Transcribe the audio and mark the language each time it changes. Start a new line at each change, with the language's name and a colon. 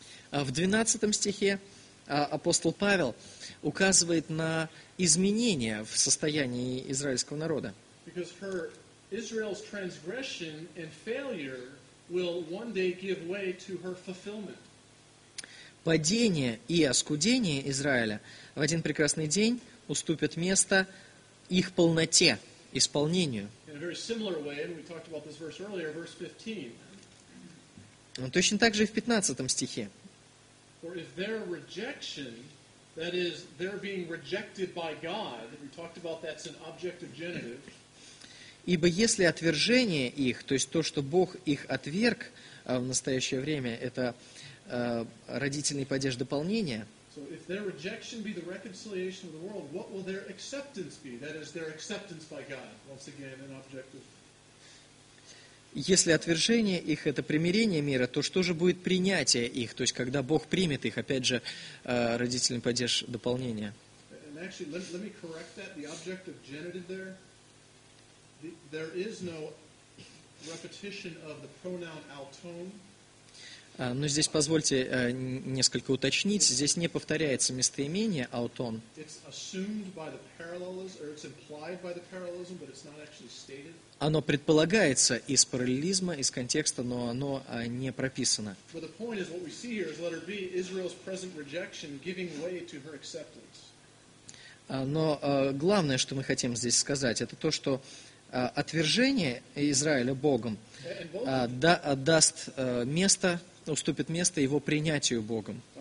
Russian: В 12 стихе апостол Павел указывает на изменения в состоянии израильского народа.
English: Because her Israel's transgression and failure will one day give way to her fulfillment.
Russian: Падение и оскудение Израиля в один прекрасный день уступят место их полноте, исполнению.
English: In a very similar way, and we talked about this verse earlier, verse 15.
Russian: Но точно так же и в 15 стихе.
English: For if their rejection, that is, their being rejected by God, we talked about that's an objective genitive.
Russian: Ибо если отвержение их, то есть то, что Бог их отверг в настоящее время, это родительный падеж дополнения.
English: So if their rejection be the reconciliation of the world, what will their acceptance be? That is, their acceptance by God. Once again, an objective.
Russian: Если отвержение их – это примирение мира, то что же будет принятие их? То есть, когда Бог примет их, опять же, родительный падеж дополнения.
English: And actually, let me correct that. The objective genitive there. There is no repetition of the pronoun alton.
Russian: Но здесь позвольте несколько уточнить. Здесь не повторяется местоимение alton.
English: It's assumed by the parallelism, or it's implied by the parallelism, but it's not actually stated.
Russian: Оно предполагается из параллелизма, из контекста, но оно не прописано.
English: But the point is, what we see here is letter B, Israel's present rejection giving way to her acceptance.
Russian: Но главное, что мы хотим здесь сказать, это то, что отвержение Израиля Богом даст место, уступит место его принятию Богом.